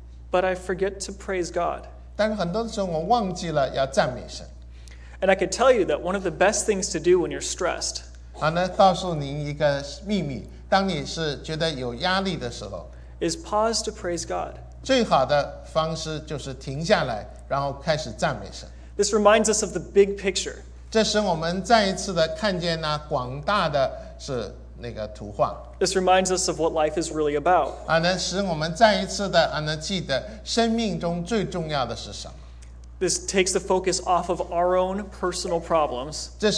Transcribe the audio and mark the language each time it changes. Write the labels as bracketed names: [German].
[English] But I forget to praise God. [Chinese] 但是很多时候我忘记了要赞美神。 [English] And I could tell you that one of the best things to do when you're stressed, [Chinese] 告诉您一个秘密，当你是觉得有压力的时候， [English] is pause to praise God. [Chinese] 最好的方式就是停下来，然后开始赞美神。 [English] This reminds us of the big picture. [Chinese] 这使我们再一次的看见那广大的是那个图画。 [English] This reminds us of what life is really about. [Chinese] 使我们再一次的记得生命中最重要的是什么。 [English] This takes the focus off of our own personal problems.